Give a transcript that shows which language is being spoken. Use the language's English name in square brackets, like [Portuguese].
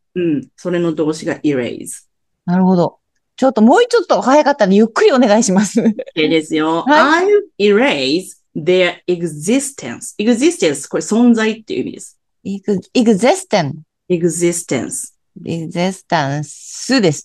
[Japanese] うん、それの動詞がイレーズ。なるほど。ちょっともうちょっと早かったらゆっくりお願いします。 OK ですよ。 [English] はい、I erase their existence. [Japanese] Existence これ存在っていう意味です。 [English] Existence。 Existence。 [Japanese] Existence です。